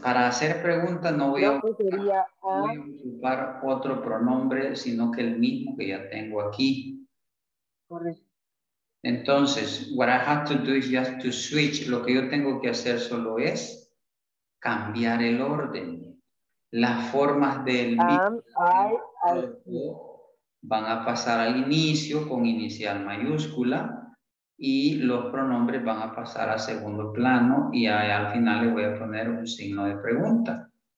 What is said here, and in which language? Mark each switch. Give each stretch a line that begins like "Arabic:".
Spanish: Para hacer preguntas no voy a ocupar otro pronombre, sino que el mismo que ya tengo aquí. Correcto. Entonces,
English: what I have to do is just to switch.
Spanish: Lo que yo tengo que hacer solo es cambiar el orden. Las formas del van a pasar al inicio con inicial mayúscula. Y los pronombres van a pasar a segundo plano y al final le voy a poner un signo de pregunta.